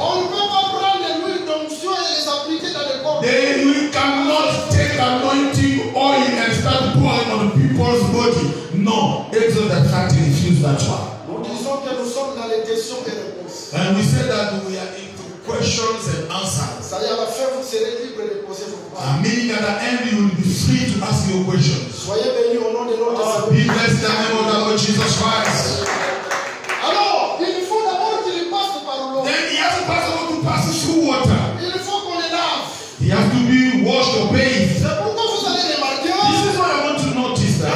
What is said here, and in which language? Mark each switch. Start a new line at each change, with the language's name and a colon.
French: on ne peut pas prendre l'huile d'onction et les appliquer dans les corps.
English: They, we cannot take anointing oil and start pouring on people's body. No, Exodus 30 refused that one.
French: Nous disons que nous sommes dans les questions et réponses.
English: And we said that we are into questions and answers.
French: C'est-à-dire à la fin, vous serez libre de poser vos.
English: Meaning at the end you will be free to ask your questions.
French: Soyez bénis au nom de Lord Jesus.
English: Be blessed in the name of the Lord Jesus Christ.
French: Alors, il faut d'abord qu'il passe par l'eau.
English: Then he has to pass over to pass through water.
French: Il faut qu'on le lave.
English: He has to be washed or bathed.
French: C'est pourquoi vous allez remarquer.
English: This is what I want to notice that.